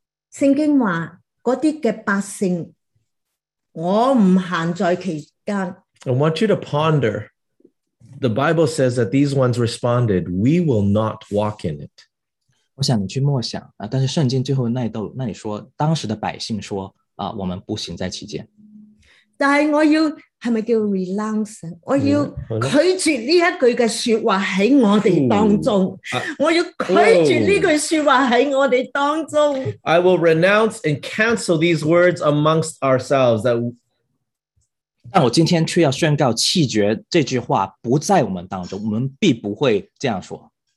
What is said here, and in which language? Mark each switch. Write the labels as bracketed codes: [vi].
[zh] 圣经说，那些的百姓，我不行在其间。 [en] I want you to ponder. The Bible says that these ones responded, we will not walk in it. [zh] 我想你去默想，但是圣经最后那里说，当时的百姓说，我们不行在其间。但是我要，是不是叫 renounce？我要拒绝这一句的说话在我们当中。我要拒绝这句说话在我们当中。 [en] I will renounce and cancel these words amongst ourselves that... [zh] 但我今天却要宣告弃绝这句话不在我们当中，我们必不会这样说。